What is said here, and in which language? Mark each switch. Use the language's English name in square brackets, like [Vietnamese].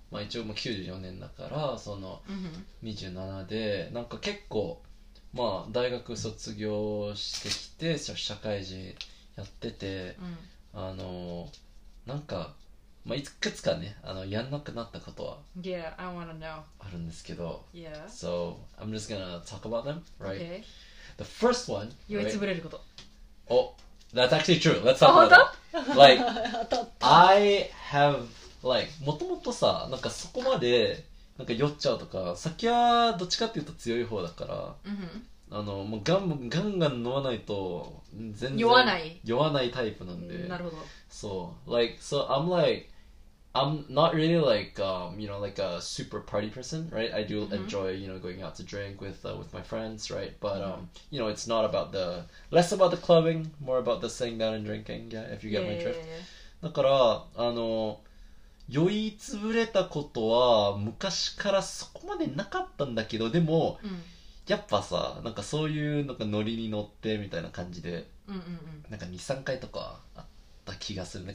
[Japanese] まあ、一応もう94年だから、その、 mm-hmm. 27で、なんか結構、まあ、大学卒業してきて、社会人やってて、 mm-hmm. あの、なんか、まあ、いくつかね、あの、やんなくなったことは、 [English] yeah, I wanna know. [Japanese] あるんですけど、 [English] yeah. So, I'm just gonna talk about them, right? Okay. The first one, [Japanese] 酔いつぶれること。 [English] Right? Oh, that's actually true. Let's talk about it. Like, I have, like, [Japanese] もともとさ、なんかそこまで、なんか酔っちゃうとか、先はどっちかっていうと強い方だから、 mm-hmm. あの、もうガンガン飲まないと、全然酔わない。酔わないタイプなんで。なるほど。そう。 [English] Like, so I'm like, I'm not really like, you know, like a super party person, right? I do enjoy, you know, going out to drink with my friends, right? But, you know, it's not about the, less about the clubbing, more about the sitting down and drinking, yeah, if you get my drift. [Japanese] だから、あの、酔いつぶれたことは昔からそこまでなかったんだけど、でも、やっぱさ、なんかそういうなんかノリに乗ってみたいな感じで、なんか2、3回とかだ気がするね。